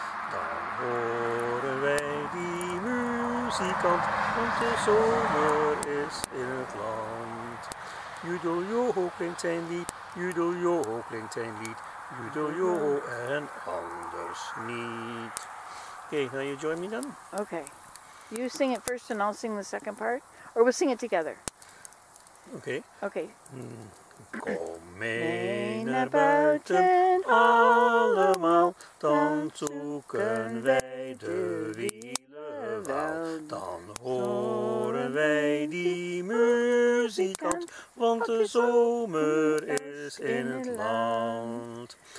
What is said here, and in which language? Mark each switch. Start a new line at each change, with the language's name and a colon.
Dutch: Dan horen wij die muzikant, want de zomer is in het land. Judo, joho, klinkt zijn lied, judo, joho, klinkt zijn lied, judo, joho, en anders niet.
English: Okay, now you join me then? Okay. You sing it first and I'll sing the second part, or we'll sing it together. Okay. Okay.
Dutch: Kom mee naar buiten, allemaal, dan zoeken wij de wielenwel. Dan horen wij die muzikant, want de zomer is in het land.